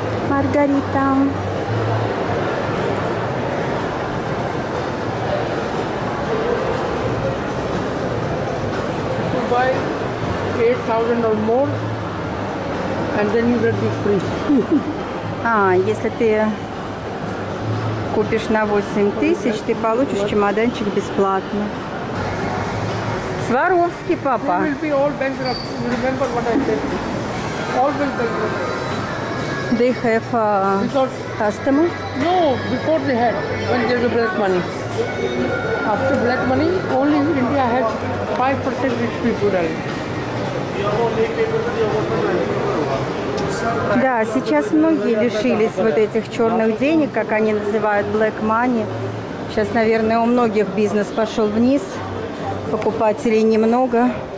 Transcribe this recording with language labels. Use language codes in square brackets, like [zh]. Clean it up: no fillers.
[ru] Маргарита. Дубай. [en] 8000 or more, and then you get this free. [ru] А, если ты купишь на 8000, ты получишь чемоданчик бесплатно. Сваровский, папа. [en] You will be all bankrupt. You remember what I said? All will be bankrupt. They have a customer? No, before they had, when there was black money. After black money, only India had 5% rich people. [ru] Да, сейчас многие лишились вот этих черных денег, как они называют, black money. Сейчас, наверное, у многих бизнес пошел вниз, покупателей немного.